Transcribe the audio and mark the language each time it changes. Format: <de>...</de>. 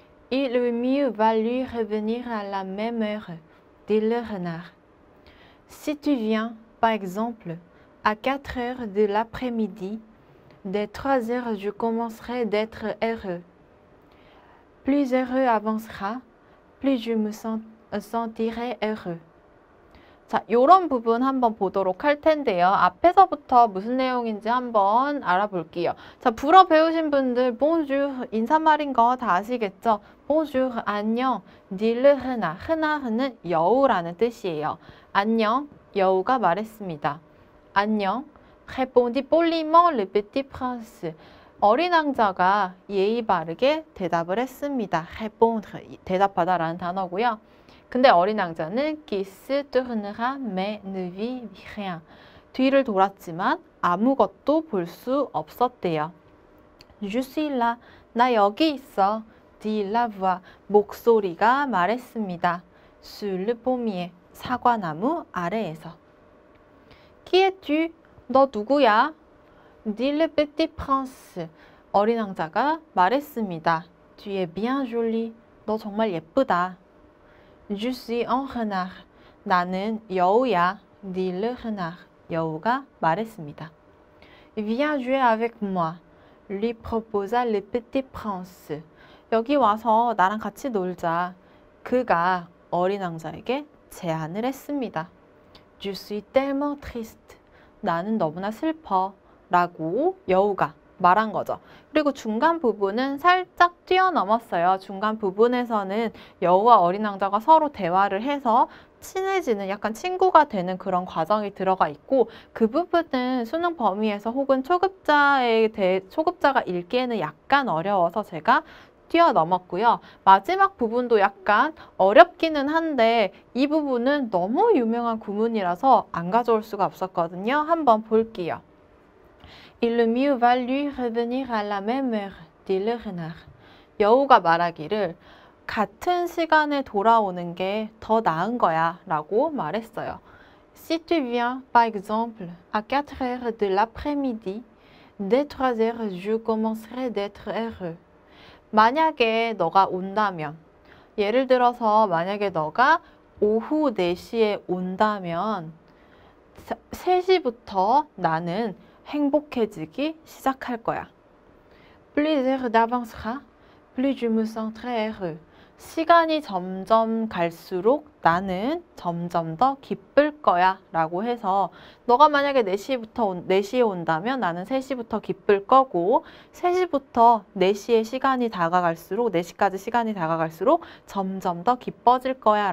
<fr>Il eût mieux valu revenir à la même heure, dit le renard. Si tu viens, par exemple, à 4 heures de l'après-midi, dès 3 heures, je commencerai d'être heureux. Plus heureux avancera, plus je me sentirai heureux.</fr> <ko>자, 요런 부분 한번 보도록 할 텐데요. 앞에서부터 무슨 내용인지 한번 알아볼게요. 자, 불어 배우신 분들,</ko> <fr>bonjour,</fr> <ko>인사말인 거다 아시겠죠?</ko> <fr>bonjour,</fr> <ko>안녕,</ko> <fr>dit le renard.</fr> <ko>renard는 여우라는 뜻이에요. 안녕, 여우가 말했습니다. 안녕,</ko> <fr>répondit poliment le petit prince.</fr> <ko>어린 왕자가 예의 바르게 대답을 했습니다. répondre, 대답하다라는 단어고요. 근데 어린 왕자는</ko> <fr>qui se tournera mais ne vit rien.</fr> <ko>뒤를 돌았지만 아무것도 볼수 없었대요.</ko> <fr>Je suis là.</fr> <ko>나 여기 있어.</ko> <fr>dit la voix.</fr> <ko>목소리가 말했습니다.</ko> <fr>Sur le pommier.</fr> <ko>사과나무 아래에서.</ko> <fr>Qui es-tu?</fr> <ko>너 누구야?</ko> <fr>dit le petit prince.</fr> <ko>어린 왕자가 말했습니다.</ko> <fr>Tu es bien joli.</fr> <ko>너 정말 예쁘다.</ko> <fr>Je suis un renard.</fr> <ko>나는 여우야.</ko> <fr>Dit le renard.</fr> <ko>여우가 말했습니다.</ko> <fr>Viens jouer avec moi. Lui proposa le petit prince.</fr> <ko>여기 와서 나랑 같이 놀자. 그가 어린 왕자에게 제안을 했습니다.</ko> <fr>Je suis tellement triste.</fr> <ko>나는 너무나 슬퍼. 라고 여우가 말한 거죠. 그리고 중간 부분은 살짝 뛰어넘었어요. 중간 부분에서는 여우와 어린 왕자가 서로 대화를 해서 친해지는 약간 친구가 되는 그런 과정이 들어가 있고 그 부분은 수능 범위에서 혹은 초급자가 읽기에는 약간 어려워서 제가 뛰어넘었고요. 마지막 부분도 약간 어렵기는 한데 이 부분은 너무 유명한 구문이라서 안 가져올 수가 없었거든요. 한번 볼게요.</ko> <fr>Il eût mieux valu revenir à la même heure, dit le renard.</fr> <ko>여우가 말하기를 같은 시간에 돌아오는 게더 나은 거야 라고 말했어요.</ko> <fr>Si tu viens, par exemple, à 4 heures de l'après-midi, dès 3 heures, je commencerai d'être heureux.</fr> <ko>만약에 너가 온다면, 예를 들어서 만약에 너가 오후 4시에 온다면, 3시부터 나는 행복해지기 시작할 거야.</ko> <fr>Plus heure d'avancera, plus je me sentirai heureux.</fr> <ko>시간이 점점 갈수록 나는 점점 더 기쁠 거야. 라고 해서, 너가 만약에 4시에 온다면 나는 3시부터 기쁠 거고, 3시부터 4시에 시간이 다가갈수록, 4시까지 시간이 다가갈수록 점점 더 기뻐질 거야.</ko>